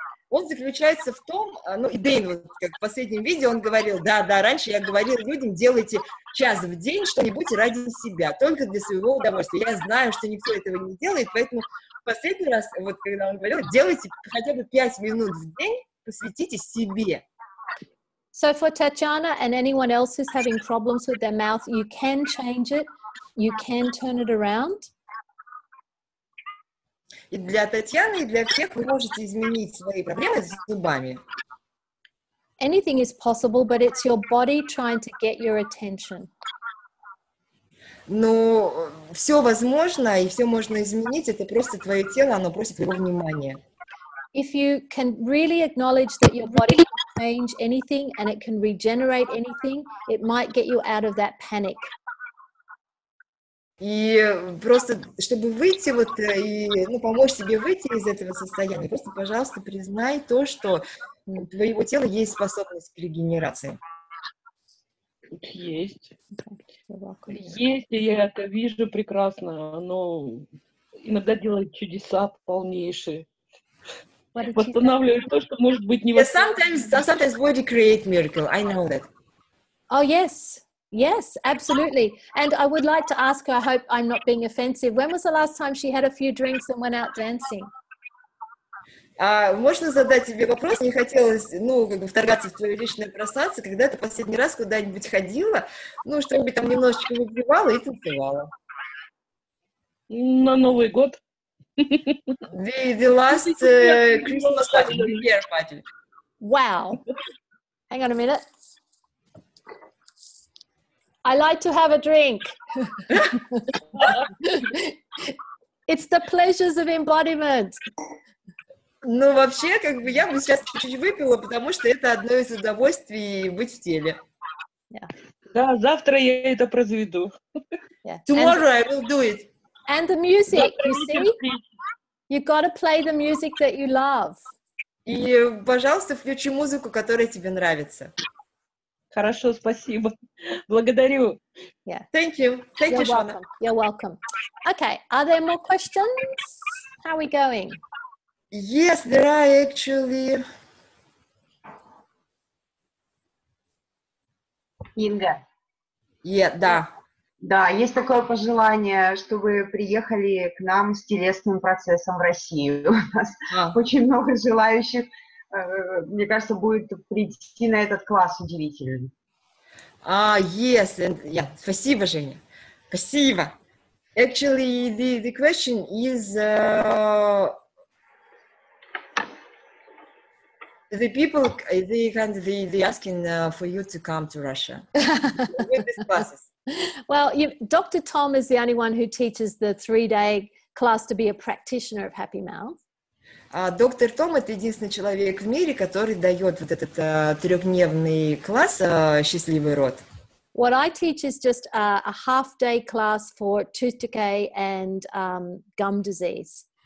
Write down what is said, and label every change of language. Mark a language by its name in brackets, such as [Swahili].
[Russian] Он заключается в том, ну и Дэйн, вот, как в последнем видео, он говорил, да-да, раньше я говорил людям, делайте час в день что-нибудь ради себя, только для своего удовольствия. Я знаю, что никто этого не делает, поэтому в последний раз, вот когда он говорил, делайте хотя бы 5 минут в день, посвятите себе. [English] So for Tatiana and anyone else who's having problems with their mouth, you can change it, you can turn it around. [Russian] И для Татьяны, и для всех вы можете изменить свои проблемы с зубами. [English] Anything is possible, but it's your body trying to get your attention. [Russian] Но все возможно, и все можно изменить, это просто твое тело, оно просит его внимания. [English] If you can really acknowledge that your body can change anything and it can regenerate anything, it might get you out of that panic. [Russian] И просто, чтобы выйти вот, и, ну, помочь себе выйти из этого состояния, просто, пожалуйста, признай то, что у твоего тела есть способность к регенерации. Есть. Есть, и я это вижу прекрасно. Оно иногда делает чудеса полнейшие. Восстанавливает то, что может быть не восстановлено. [English] Sometimes body create miracle, I know that. Oh, yes. Yes, absolutely. And I would like to ask her, I hope I'm not being offensive, when was the last time she had a few drinks and went out dancing? [Russian] Можно задать тебе вопрос? Не хотелось, ну, как бы вторгаться в твое личное пространство, когда ты последний раз куда-нибудь ходила, ну, чтобы там немножечко выпивала и танцевала. На Новый год. [English] The last Christmas party. Wow. Hang on a minute. I like to have a drink. It's the pleasures of embodiment. [Russian] Ну, вообще, как бы, я бы сейчас чуть-чуть выпила, потому что это одно из удовольствий быть в теле. Да, завтра я это произведу. [English] Tomorrow I will do it. And the music, you see? You gotta play the music that you love. [Russian] И, пожалуйста, включи музыку, которая тебе нравится. Хорошо, спасибо. Благодарю. [English] Yeah. Thank you. Thank You're you, welcome. Shana. You're welcome. Okay, are there more questions? How are we going? Yes, there are actually. [Russian] Инга. [English] Yeah, да. [Russian] Да, есть такое пожелание, чтобы приехали к нам с телесным процессом в Россию. У нас очень много желающих. Мне кажется, будет прийти на этот класс удивительный. [English] Yes, and yeah. [Russian] Спасибо, Женя. Спасибо. [English] Actually, the question is the people they asking for you to come to Russia with these classes. Well, Dr. Tom is the only one who teaches the 3-day class to be a practitioner of Happy Mouth. [Russian] Доктор Том – это единственный человек в мире, который дает вот этот трехдневный класс «Счастливый рот». [English] What I teach is just a half-day class for tooth decay and gum disease.